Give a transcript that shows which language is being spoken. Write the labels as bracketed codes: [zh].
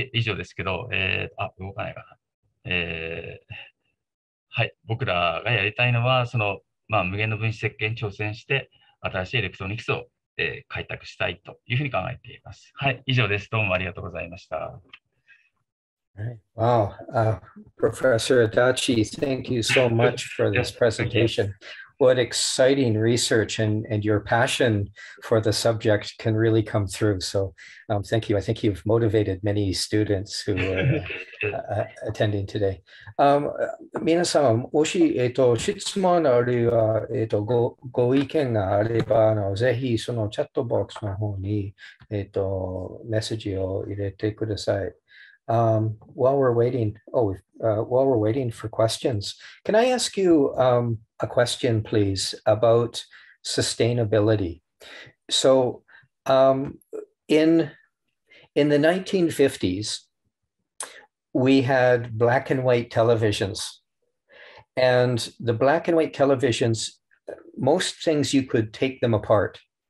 [ja] 以上ですけど、動かないかな。はい。僕らがやりたいのは、まあ、無限の分子設計に挑戦して、新しいエレクトロニクスを開拓したいというふうに考えています。はい、以上です。どうもありがとうございました。 [en] Wow, Professor Adachi, thank you so much for this presentation. What exciting research and your passion for the subject can really come through. So, thank you. I think you've motivated many students who are attending today. [ja] 皆様、もし、質問あるいは、ご意見があれば、ぜひそのチャットボックスの方に、メッセージを入れてください。 [en] While we're waiting for questions, can I ask you a question, please, about sustainability? So, in the 1950s, we had black and white televisions, and the black and white televisions, most things you could take them apart.